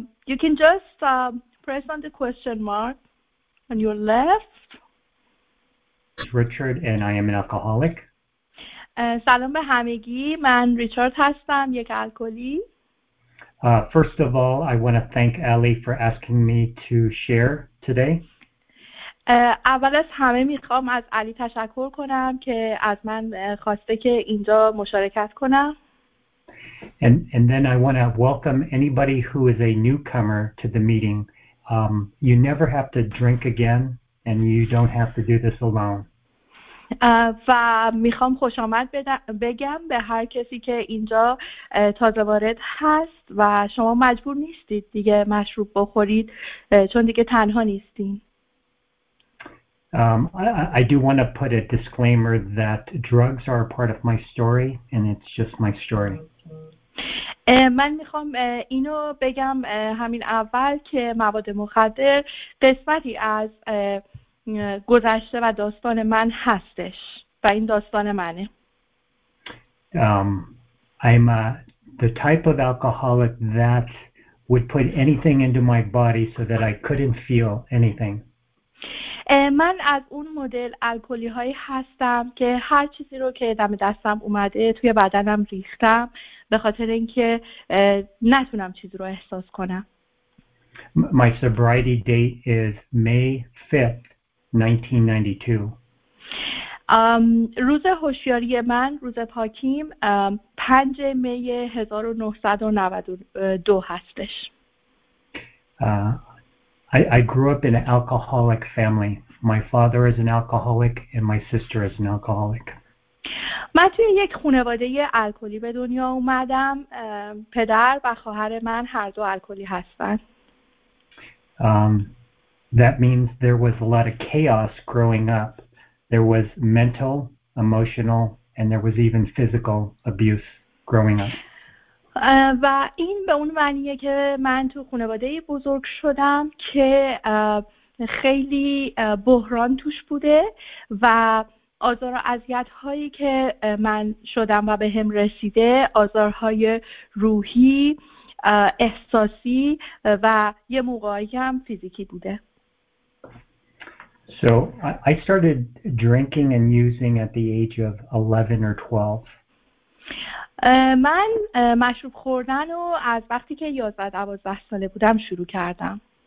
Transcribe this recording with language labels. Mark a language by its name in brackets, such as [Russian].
[English] You can just press on the question mark on your left. It's Richard and I am an alcoholic. [Persian] سلام به همگی، من ریچارد هستم، یک الکلی. [English] First of all, I want to thank Ali for asking me to share today. [Persian] اول از همه میخوام از علی تشکر کنم که از من خواسته که اینجا مشارکت کنم. [English] And then I want to welcome anybody who is a newcomer to the meeting. You never have to drink again and you don't have to do this alone. [Persian] و میخوام خوش آمد بگم به هر کسی که اینجا تازه وارد هست و شما مجبور نیستید دیگه مشروب بخورید چون دیگه تنها نیستین. [English] I do want to put a disclaimer that drugs are a part of my story and it's just my story. [Persian] من میخوام اینو بگم همین اول که مواد مخدر قسمتی از گذشته و داستان من هستش و این داستان منه. [English] I'm the type of alcoholic that would put anything into my body so that I couldn't feel anything. [Persian] من از اون مدل الکلی هایی هستم که هر چیزی رو که دم دستم اومده توی بدنم ریختم به خاطر اینکه نتونم چیزی رو احساس کنم. [English] My sobriety date is May 5th, 1992. [Persian] روز هوشیاری من، روز پاکیم، 5 May 1992 هستش. [English] I grew up in an alcoholic family. My father is an alcoholic and my sister is an alcoholic. [Persian] من توی یک خانواده الکلی به دنیا اومدم. پدر و خواهر من هر دو الکلی هستن. [English] That means there was a lot of chaos growing up. There was mental, emotional, and there was even physical abuse growing up. [Persian] و این به اون معنیه که من تو خانواده بزرگ شدم که خیلی بحران توش بوده و آزار و اذیت هایی که من شدم و به هم رسیده آزارهای روحی، احساسی و یه موقعی هم فیزیکی بوده. [English] So I started drinking and using at the age of 11 or 12. [Persian] من مشروب خوردن رو از وقتی که 11 12 ساله بودم شروع کردم.